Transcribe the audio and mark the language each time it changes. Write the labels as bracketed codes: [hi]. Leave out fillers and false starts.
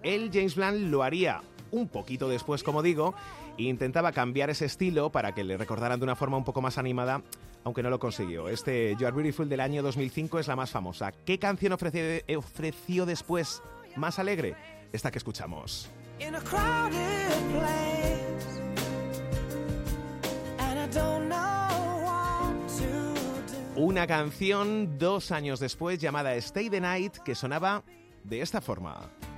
[es] Él, James Blunt, lo haría un poquito después, como digo, e intentaba cambiar ese estilo para que le recordaran de una forma un poco más animada, aunque no lo consiguió. Este You're Beautiful del año 2005 es la más famosa. ¿Qué canción ofreció después más alegre? Esta que escuchamos. [en] In a crowded place, and I don't know what to do. [es] Una canción 2 años después llamada Stay the Night que sonaba de esta forma.